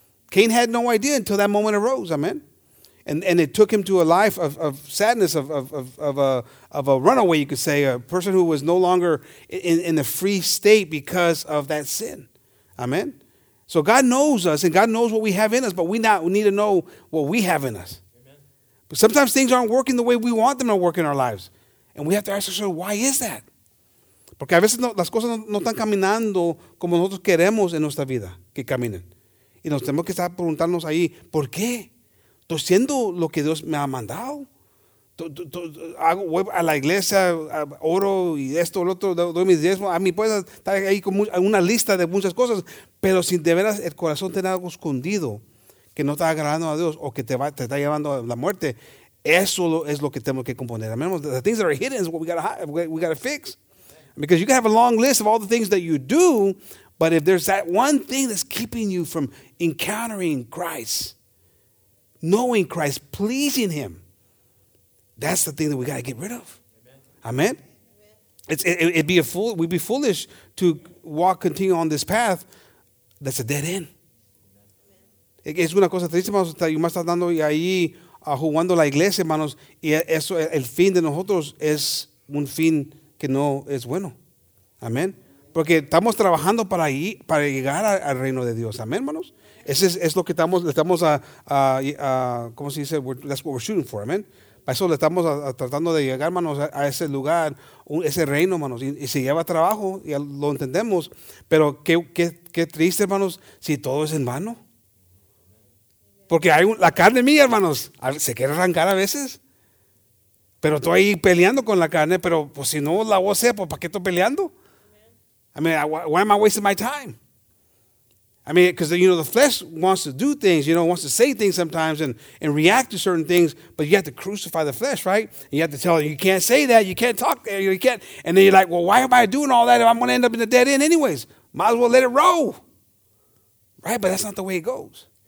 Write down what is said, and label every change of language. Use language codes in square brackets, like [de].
[en] Cain had no idea until that moment arose, amen? And it took him to a life of sadness, of a runaway, you could say, a person who was no longer in a free state because of that sin, amen? So God knows us, and God knows what we have in us, but we need to know what we have in us. Amen. But sometimes things aren't working the way we want them to work in our lives. And we have to ask ourselves, why is that? [es] Porque a veces las cosas no están caminando como nosotros queremos en nuestra vida que caminen. Y nos tenemos que estar preguntándonos ahí, ¿por qué? ¿Estoy siendo lo que Dios me ha mandado? Voy a la iglesia, oro y esto, el otro, doy mis diezmos. A mí puedes estar ahí con una lista de muchas cosas, pero si de veras el corazón tiene algo escondido que no está agradando a Dios o que te está llevando a la muerte, eso es lo que tenemos que componer. [en] I mean, the things that are hidden is what we gotta fix. Because you can have a long list of all the things that you do, but if there's that one thing that's keeping you from encountering Christ, knowing Christ, pleasing him, that's the thing that we got to get rid of. Amen. It'd be a fool. We'd be foolish to continue on this path. That's a dead end. [es] Es una cosa triste, hermanos. Yo me estoy dando ahí jugando la iglesia, hermanos. Y eso, el fin de nosotros es un fin que no es bueno. Amen. Porque estamos trabajando para llegar al reino de Dios. Amen, hermanos. Ese es lo que estamos a ¿cómo se dice? [en] That's what we're shooting for. [es] Amen. Para eso le estamos tratando de llegar, hermanos, a ese lugar, ese reino, hermanos. Y se lleva trabajo, ya lo entendemos. Pero qué triste, hermanos, si todo es en vano. Porque la carne mía, hermanos, se quiere arrancar a veces. Pero estoy ahí peleando con la carne. Pero pues, si no la voz sea, pues, ¿para qué estoy peleando? [en] I mean, why am I wasting my time? I mean, because, you know, the flesh wants to do things, you know, wants to say things sometimes and react to certain things, but you have to crucify the flesh, right? And you have to tell it, you can't say that, you can't talk, you can't. And then you're like, well, why am I doing all that if I'm going to end up in the dead end anyways? Might as well let it roll, right? But that's not the way it goes.